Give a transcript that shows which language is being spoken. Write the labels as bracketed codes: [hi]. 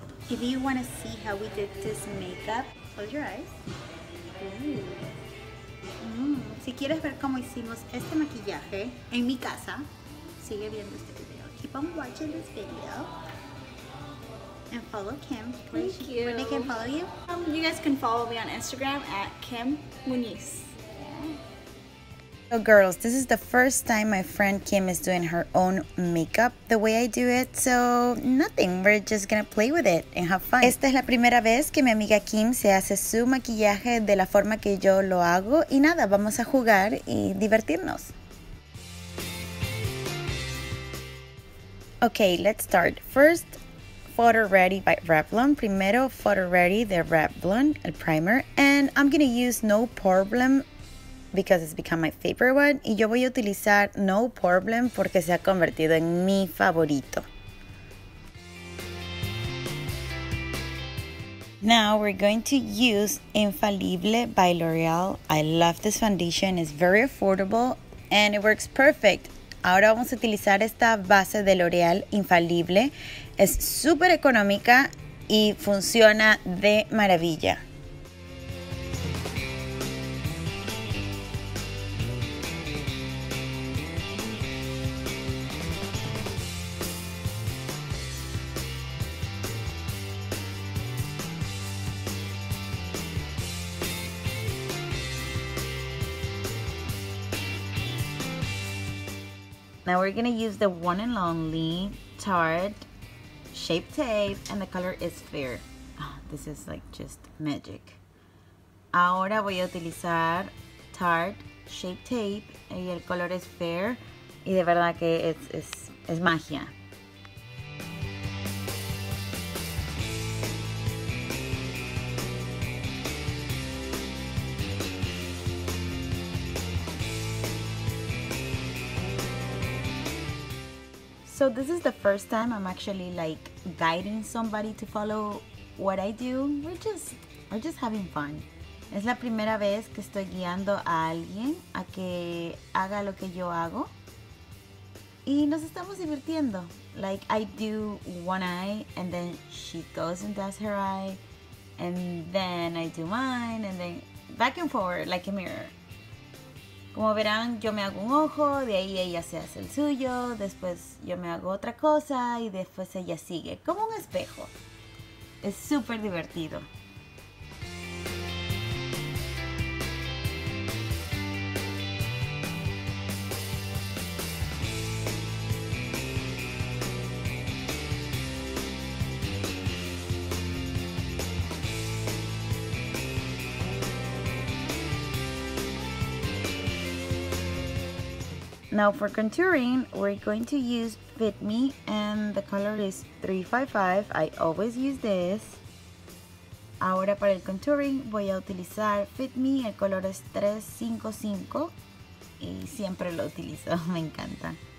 [en] If you want to see how we did this makeup, close your eyes. [es] Si quieres ver cómo hicimos este maquillaje en mi casa, sigue viendo este video. [en] Keep on watching this video. And follow Kim. Thank you. Where they can follow you? You guys can follow me on Instagram at Kim Muniz. So girls, this is the first time my friend Kim is doing her own makeup the way I do it, so nothing, we're just gonna play with it and have fun. [es] Esta es la primera vez que mi amiga Kim se hace su maquillaje de la forma que yo lo hago, y nada, vamos a jugar y divertirnos. [en] Okay, let's start. First, photo ready by Revlon. [es] Primero, photo ready de Revlon, el primer, [en] and I'm gonna use No Problem because it's become my favorite one. [es] Y yo voy a utilizar No Problem porque se ha convertido en mi favorito. [en] Now we're going to use Infallible by L'Oreal. I love this foundation, it's very affordable and it works perfect. [es] Ahora vamos a utilizar esta base de L'Oreal Infallible. Es super económica y funciona de maravilla. [en] Now we're gonna use the One and Lonely Tarte Shape Tape, and the color is Fair. Oh, this is like just magic. [es] Ahora voy a utilizar Tarte Shape Tape, y el color es Fair, y de verdad que es magia. [en] So this is the first time I'm actually like guiding somebody to follow what I do. We're just having fun. [es] Es la primera vez que estoy guiando a alguien a que haga lo que yo hago. Y nos estamos divirtiendo. [en] Like I do one eye and then she goes and does her eye. And then I do mine and then back and forward like a mirror. [es] Como verán, yo me hago un ojo, de ahí ella se hace el suyo, después yo me hago otra cosa y después ella sigue, como un espejo. Es súper divertido. [en] Now for contouring, we're going to use Fit Me, and the color is 355. I always use this. [es] Ahora para el contouring voy a utilizar Fit Me, el color es 355, y siempre lo utilizo, me encanta.